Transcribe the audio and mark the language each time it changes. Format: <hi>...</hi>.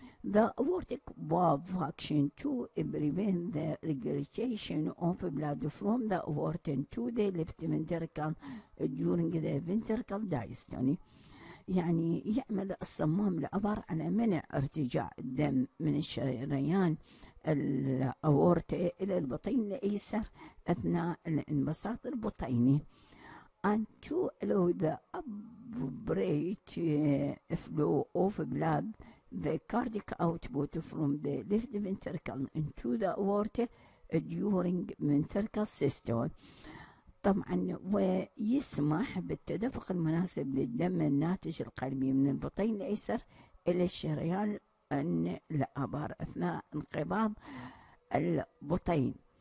<en>The aortic valve function to prevent the regurgitation of blood from the aorta to the left ventricle during the ventricle diastole.</en> <ar>يعني يعمل الصمام الأبر على منع ارتجاع الدم من الشريان الأورتا إلى البطين الأيسر أثناء الانبساط البطيني.</ar> <en>And to allow the appropriate flow of blood the cardiac output from the left ventricle into the aorta during ventricle systole.</en> <ar>طبعا ويسمح بالتدفق المناسب للدم الناتج القلبي من البطين الايسر الى الشريان الابر اثناء انقباض البطين.</ar>